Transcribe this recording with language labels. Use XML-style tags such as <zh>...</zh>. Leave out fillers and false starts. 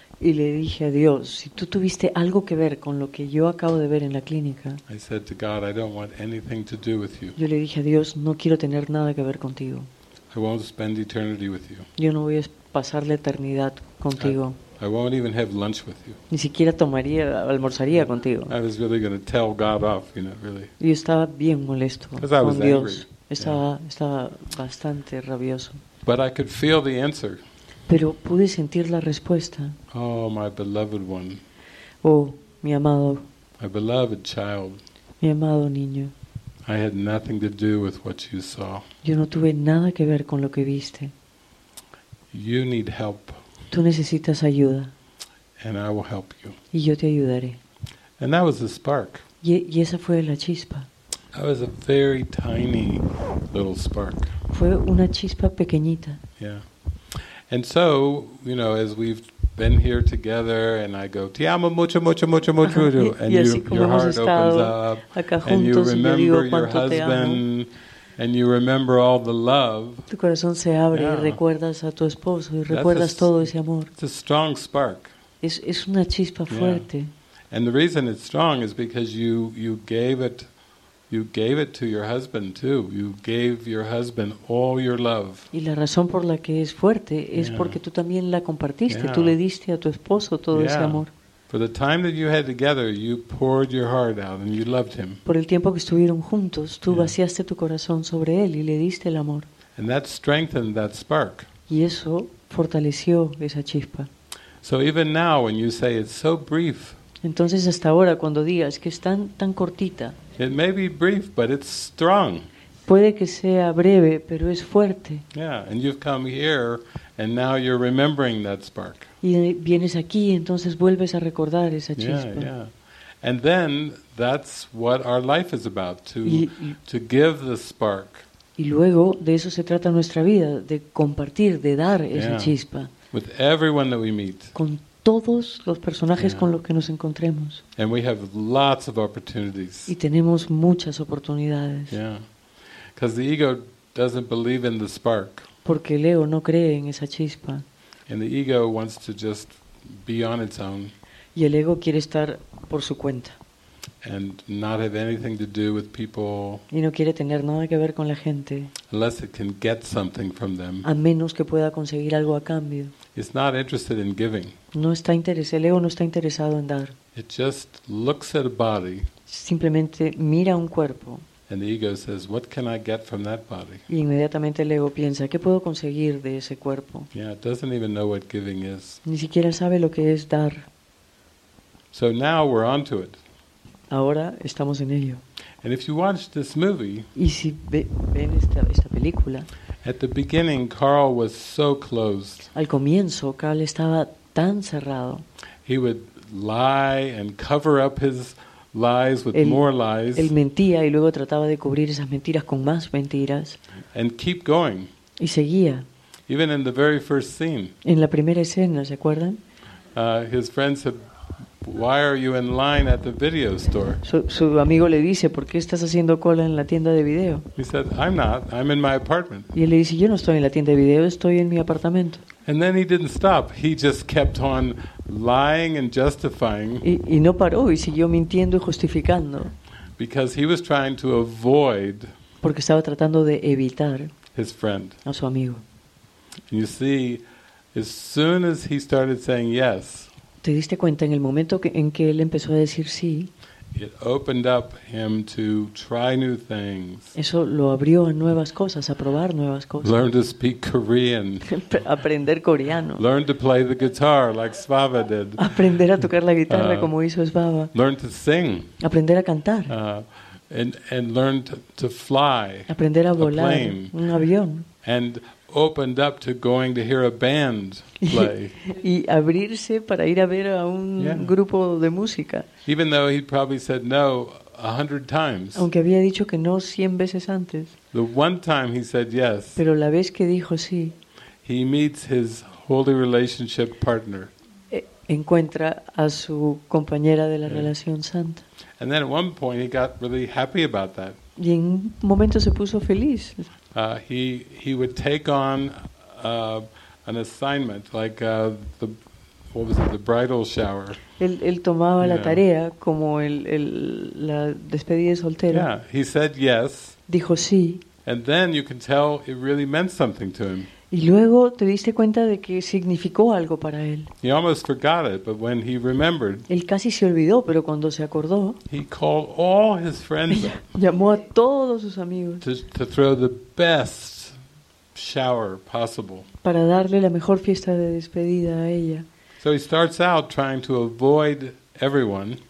<es>Y le dije a Dios, si tú tuviste algo que ver con lo que yo acabo de ver en la clínica.</es> <en>I said to God, I don't want anything to do with you.</en> <es>Yo le dije a Dios, no quiero tener nada que ver contigo.</es> <en>I won't spend eternity with you.</en> <es>Yo no voy a pasar la eternidad contigo.</es> <en>I won't even have lunch with you.</en> <es>Ni siquiera tomaría, almorzaría contigo.</es> <en>I was really going to tell God off, you know, really.</en> <es>Yo estaba bien molesto con Dios. Estaba bastante rabioso.</es> <en>But I could feel the answer.</en> <es>Pero pude sentir la respuesta.</es> <en>Oh, my beloved one.</en> <es>Oh, mi amado.</es> <en>My beloved child.</en> <es>Mi amado niño.</es> <en>I had nothing to do with what you saw.</en> <es>Yo no tuve nada que ver con lo que viste.</es> <en>You need help.</en> <es>Tú necesitas ayuda.</es> <en>And I will help you.</en> <es>Y yo te ayudaré.</es> <en>And that was the spark.</en> <es>Y esa fue la chispa.</es> <en>That was a very tiny little spark.</en> <es>Fue una chispa pequeñita.</es> <en>Yeah. And so, you know, as we've been here together and I go,</en> <es>"Te amo mucho mucho mucho mucho." Ajá,</es> <en>and</en> <es>y así</es> <en>your</en> <es>como</es> <en>heart</en> <es>hemos estado</es> <en>opens up</en> <es>acá juntos,</es> <en>and you remember</en> <es>yo</es> <en>your husband and you remember all the love.</en> <es>Tu corazón se abre, yeah. Y recuerdas a tu esposo y recuerdas todo ese amor.</es> <en>It's a strong spark.</en> <es>Es una chispa fuerte. Yeah.</es> <en>And the reason it's strong is because you gave it to your husband too. You gave your husband all your love.</en> <es>Y la razón por la que es fuerte es porque tú también la compartiste. Yeah. Tú le diste a tu esposo todo ese amor.</es> <en>For the time that you had together, you poured your heart out and you loved him.</en> <es>Por el tiempo que estuvieron juntos, tú vaciaste tu corazón sobre él y le diste el amor.</es> <en>And that strengthened that spark.</en> <es>Y eso fortaleció esa chispa.</es> <en>So even now when you say it's so brief.</en> <es>Entonces hasta ahora cuando digas que es tan tan cortita.</es> <en>It may be brief, but it's strong.</en> <es>Puede que sea breve, pero es fuerte.</es> <en>Yeah, and you've come here and now you're remembering that spark.</en> <es>Y vienes aquí, entonces vuelves a recordar esa chispa.</es> <en>Yeah, yeah. And then that's what our life is about, to give the spark.</en> <es>Y luego de eso se trata nuestra vida, de compartir, de dar esa chispa.</es> <en>With everyone that we meet.</en> <es>Con todos los personajes con los que nos encontremos.</es> <en>And we have lots of opportunities.</en> <es>Y tenemos muchas oportunidades.</es> <en>Because the ego doesn't believe in the spark.</en> <es>Porque el ego no cree en esa chispa.</es> <en>And the ego wants to just be on its own.</en> <es>Y el ego quiere estar por su cuenta.</es> <en>And not have anything to do with people.</en> <es>Y no quiere tener nada que ver con la gente.</es> <en>Unless it can get something from them.</en> <es>A menos que pueda conseguir algo a cambio.</es> <en>It's not interested in giving.</en> <es>No está interesado, el ego no está interesado en dar.</es> <en>It just looks at a body.</en> <es>Simplemente mira un cuerpo.</es> <en>And the ego says, "What can I get from that body?"</en> <es>Y inmediatamente el ego piensa, ¿qué puedo conseguir de ese cuerpo?</es> <en>Yeah, it doesn't even know what giving is.</en> <es>Ni siquiera sabe lo que es dar.</es> <en>So now we're onto it.</en> <es>Ahora estamos en ello.</es> <en>And if you watch this movie,</en> <es>y si ven esta película,</es> <en>at the beginning, Carl was so closed.</en> <es>Al comienzo, Carl estaba tan cerrado.</es> <en>He would lie and cover up his lies with more lies.</en> <es>Él mentía y luego trataba de cubrir esas mentiras con más mentiras.</es> <en>And keep going.</en> <es>Y seguía.</es> <en>Even in the very first scene.</en> <es>En la primera escena, ¿se acuerdan?</es> <en>His friends said, "Why are you in line at the video store?"</en> <es>Su amigo le dice, "¿Por qué estás haciendo cola en la tienda de video?"</es> <en>He said, "I'm not. I'm in my apartment."</en> <es>Y él le dice, "Yo no estoy en la tienda de video, estoy en mi apartamento."</es> <en>And then he didn't stop. He just kept on lying and justifying.</en> <es>Y no paró y siguió mintiendo y justificando.</es> <en>Because he was trying to avoid.</en> <es>Porque estaba tratando de evitar.</es> <en>His friend.</en> <es>A su amigo.</es> <en>And you see, as soon as he started saying yes.</en> <es>¿Te diste cuenta en el momento en que él empezó a decir sí?</es> <en>It opened up him to try new things.</en> <es>Eso lo abrió a nuevas cosas, a probar nuevas cosas.</es> <en>Learn to speak Korean.</en> <es>Aprender coreano.</es> <en>Learn to play the guitar like Svava did.</en> <es>Aprender a tocar la guitarra como hizo Svava.</es> <en>Learn to sing.</en> <es>Aprender a cantar.</es> <en>And learn to fly.</en> <es>Aprender a volar</es> <en>a plane.</en> <es>Un avión.</es> <en>And opened up to going to hear a band play.</en> <es>Y abrirse para ir a ver a un grupo de música.</es> <en>Even though he probably said no 100 times.</en> <es>Aunque había dicho que no 100 veces antes.</es> <en>The one time he said yes.</en> <es>Pero la vez que dijo sí.</es> <en>He meets his holy relationship partner.</en> <es>Encuentra a su compañera de la relación santa.</es> <en>And then at one point he got really happy about that.</en> <es>Y en un momento se puso feliz.</es> <en>He would take on an assignment like the bridal shower.</en> <es>Él tomaba la tarea como la despedida de soltero.</es> <en>Yeah, he said yes.</en> <es>Dijo sí.</es> <en>And then you can tell it really meant something to him.</en> <es>Y luego te diste cuenta de que significó algo para él.</es> <en>He almost forgot it, but when he remembered.</en> <es>Él casi se olvidó, pero cuando se acordó.</es> <en>He called all his friends.</en> <es>Llamó a todos sus amigos.</es> <en>To throw the best shower possible.</en> <es>Para darle la mejor fiesta de despedida a ella.</es> <en>So he starts out trying to avoid everyone.</en>